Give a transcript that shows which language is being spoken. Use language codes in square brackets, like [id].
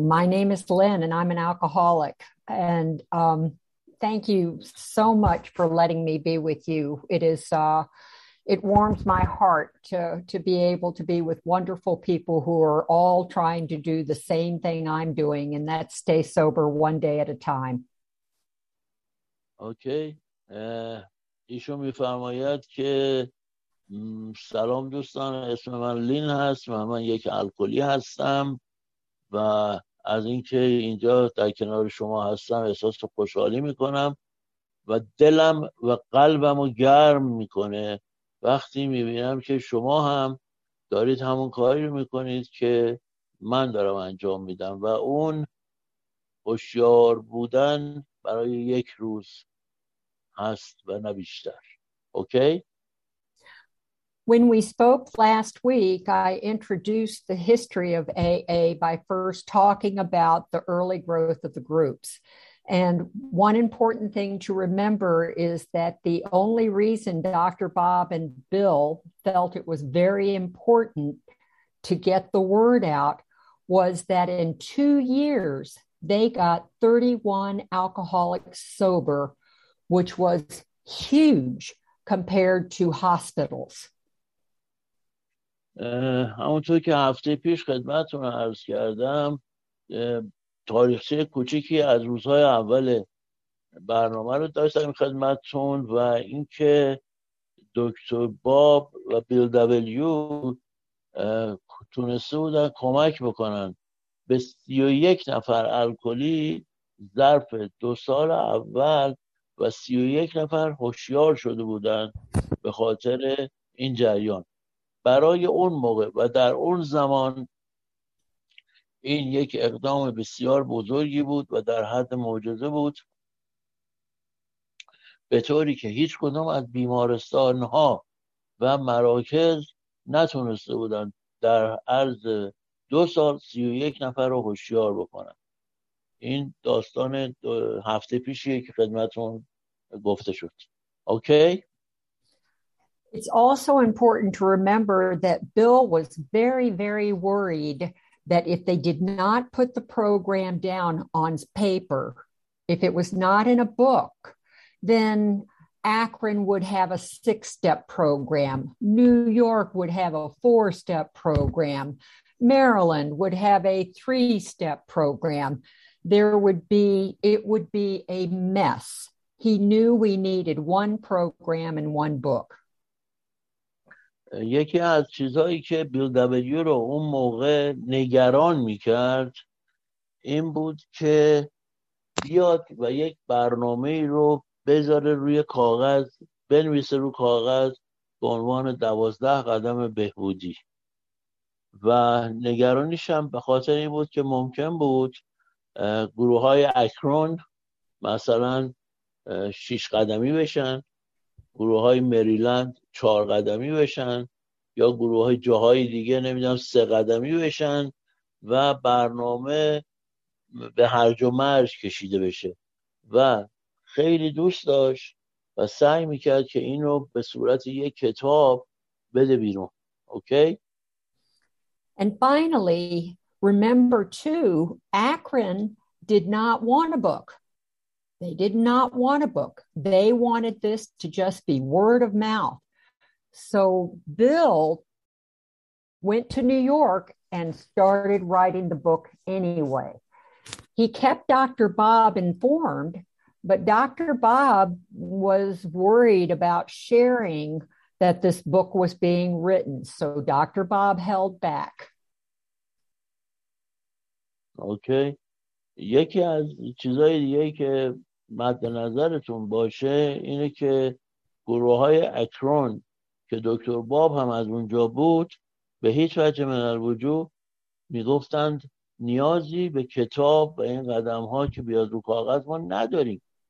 [en] My name is Lynn and I'm an alcoholic. And thank you so much for letting me be with you. It is it warms my heart to be able to be with wonderful people who are all trying to do the same thing I'm doing, and that's stay sober one day at a time. Okay. [fa] ایشون میفرماید که سلام دوستان، اسم من لین هست، من یک الکلی هستم و از اینکه اینجا در کنار شما هستم احساس خوشحالی میکنم و دلم و قلبم رو گرم میکنه وقتی میبینم که شما هم دارید همون کاری رو میکنید که من دارم انجام میدم و اون هوشیار بودن برای یک روز هست و نه بیشتر. اوکی؟ [en] When we spoke last week, I introduced the history of AA by first talking about the early growth of the groups. And one important thing to remember is that the only reason Dr. Bob and Bill felt it was very important to get the word out was that in 2 years, they got 31 alcoholics sober, which was huge compared to hospitals. [fa] همونطور که هفته پیش خدمتتون عرض کردم، تاریخچه کوچیکی از روزهای اول برنامه رو داشتم خدمتتون و اینکه دکتر باب و بیل دبلیو تونسته بودن کمک بکنن به 31 نفر الکلی ظرف 2 سال اول و 31 نفر هوشیار شده بودن به خاطر این جریان. برای اون موقع و در اون زمان این یک اقدام بسیار بزرگی بود و در حد معجزه بود، به طوری که هیچ کدام از بیمارستان‌ها و مراکز نتونسته بودند در عرض 2 سال 31 نفر رو هوشیار بکنن. این داستان هفته پیشیه که خدمتون گفته شد. اوکی؟ [en] It's also important to remember that Bill was very, very worried that if they did not put the program down on paper, if it was not in a book, then Akron would have a 6-step program. New York would have a 4-step program. Maryland would have a 3-step program. It would be a mess. He knew we needed one program and one book. [fa] یکی از چیزهایی که بیل دبلیو رو اون موقع نگران میکرد این بود که بیاد و یک برنامه رو بذاره روی کاغذ، بنویسه رو کاغذ به عنوان 12 قدم بهبودی و نگرانیش هم به خاطر این بود که ممکن بود گروه های اکرون مثلا 6 قدمی بشن، گروه های مریلند 4 قدمی بشن یا گروه های جاهای دیگه نمیدونم 3 قدمی بشن و برنامه به هرج و مرج کشیده بشه و خیلی دوست داشت و سعی میکرد که اینو به صورت یک کتاب بده بیرون. اوکی؟ [en] And finally, remember too, Akron did not want a book. They did not want a book. They wanted this to just be word of mouth. So Bill went to New York and started writing the book anyway. He kept Dr. Bob informed, but Dr. Bob was worried about sharing that this book was being written, so Dr. Bob held back. Okay. [fa] یکی از چیزهای دیگه که مد نظرتون باشه اینه که گروه های اکرون که دکتر باب هم از اونجا بود به هیچ وجه من الوجود می گفتند نیازی به کتاب و این قدم ها که بیاد رو کاغذ ما نداریم.